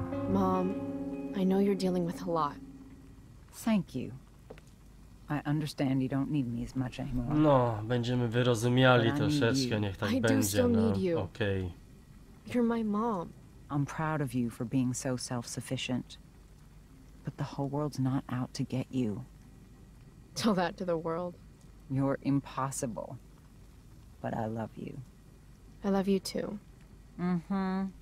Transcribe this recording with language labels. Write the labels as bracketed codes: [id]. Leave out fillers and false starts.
[en] Mom, I know you're dealing with a lot. Thank you. I understand you don't need me as much anymore. [pl] No, będziemy wyrozumiali troszeczkę, niech tak będzie. [en] I do still need you. Okay. You're my mom. I'm proud of you for being so self-sufficient. But the whole world's not out to get you. Tell that to the world. You're impossible. But I love you. I love you too. Mm-hmm.